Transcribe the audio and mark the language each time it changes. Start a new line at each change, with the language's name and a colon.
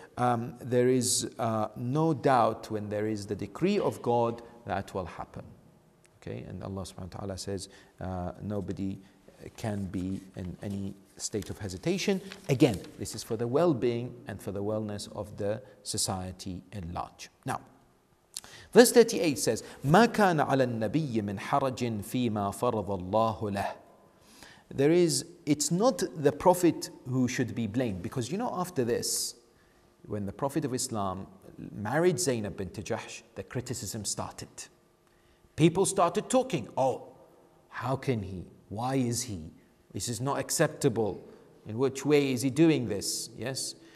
English: There is no doubt when there is the decree of God that will happen. Okay, and Allah subhanahu wa ta'ala says nobody can be in any state of hesitation. Again, this is for the well-being and for the wellness of the society at large. Now, verse 38 says,
Arabic: مَا كَانَ عَلَى النَّبِيِّ مِنْ حَرَجٍ فِي مَا فَرَضَ اللَّهُ لَهُ.
English: It's not the Prophet who should be blamed, because you know, after this, when the Prophet of Islam married Zaynab bint Jahsh, the criticism started. People started talking. Oh, how can he? Why is he? This is not acceptable. In which way is he doing this? Yes.